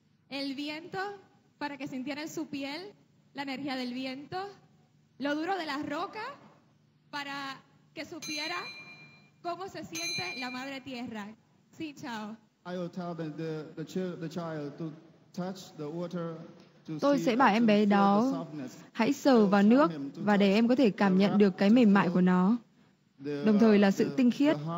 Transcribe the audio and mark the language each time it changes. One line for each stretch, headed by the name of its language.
Spanish: El viento para que sintieran su piel, la energía del viento, lo duro de la roca para que supiera cómo se siente la madre tierra. Sí, chao.
English: I will tell the child to touch the water.
Vietnamese: Tôi sẽ bảo em bé đó hãy sờ vào nước và để em có thể cảm nhận được cái mềm mại của nó. Đồng thời là sự tinh khiết.